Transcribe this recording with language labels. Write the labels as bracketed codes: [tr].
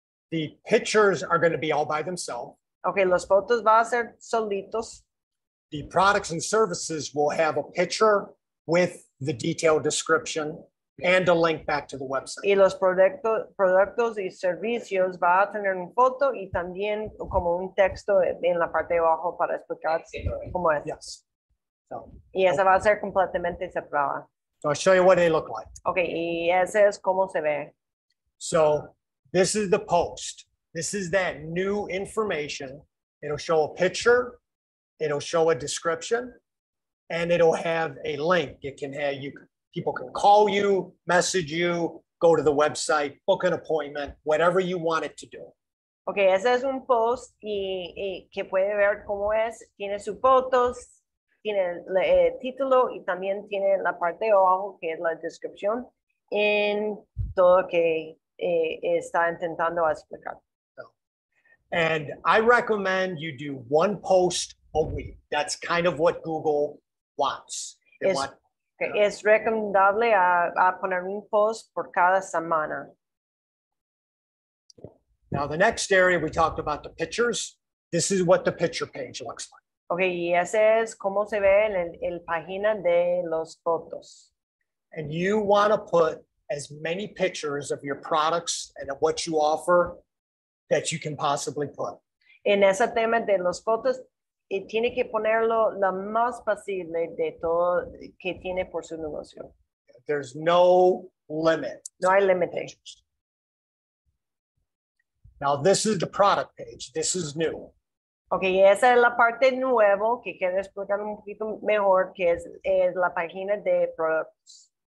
[en] The pictures are going to be all by themselves. [es] Okay, los fotos va a ser solitos. [en] The products and services will have a picture with the detailed description and a link back to the website. [es] Y los productos y servicios va a tener una foto y también como un texto en la parte de abajo para explicar cómo es. [en] Yes. So, [es] Y esa va a ser completamente separada. [en] I'll show you what they look like. [es] Okay, y ese es cómo se ve. [en] So this is the post. This is that new information. It'll show a picture. It'll show a description, and it'll have a link. It can have you, people can call you, message you, go to the website, book an appointment, whatever you want it to do. [es] Okay, ese es un post y que puede ver cómo es. Tiene sus fotos, tiene el título y también tiene la parte de abajo que es la descripción en todo que está intentando explicar. [en] And I recommend you do one post a week. That's kind of what Google wants. They [es] Es [en] want. [es] recomendable a poner un post por cada semana. [en] Now, the next area we talked about the pictures. This is what the picture page looks like. [es] Okay, y ese es cómo se ve en el página de los fotos. [en] And you want to put as many pictures of your products and of what you offer that you can possibly put. [es] En ese tema de los fotos, Y tiene que ponerlo lo más posible de todo que tiene por su negocio. [en] There's no limit. [es] No hay limitations. [en] Now, this is the product page. This is new. [es] Okay, esa es la parte nueva que quiero explicar un poquito mejor, que es la página de products.